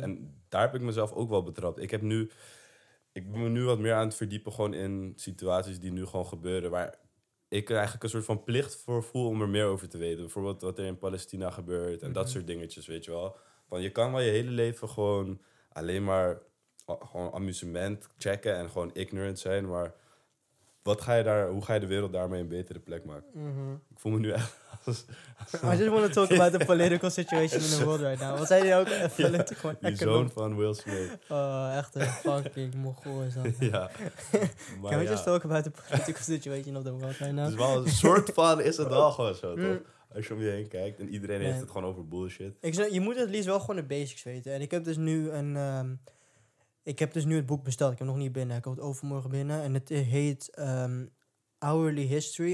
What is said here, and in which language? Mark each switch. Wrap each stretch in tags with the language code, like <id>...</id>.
<nl>En daar heb ik mezelf ook wel betrapt. Ik ben me nu wat meer aan het verdiepen gewoon in situaties die nu gewoon gebeuren, waar ik eigenlijk een soort van plicht voor voel om er meer over te weten. Bijvoorbeeld wat er in Palestina gebeurt en dat soort dingetjes, weet je wel. Want je kan wel je hele leven gewoon alleen maar gewoon amusement checken en gewoon ignorant zijn, maar hoe ga je de wereld daarmee een betere plek maken? Mm-hmm. Ik voel me nu echt</nl> <en>I just want to talk about the political situation in the world right now.</en> <nl>Wat zei je ook? Political die zoon van Will Smith. Echt een fucking mogol is dat. Ja. Maar</nl> <en>can we just talk about the political situation of the world right now?</en> <nl>Dus wel een soort van is het al gewoon zo, toch? Als je om je heen kijkt en iedereen heeft het gewoon over bullshit. Je moet het liefst wel gewoon de basics weten. En ik heb dus nu een... ik heb dus nu het boek besteld. Ik heb nog niet binnen. Ik kom het overmorgen binnen. En het heet Hourly History.</nl>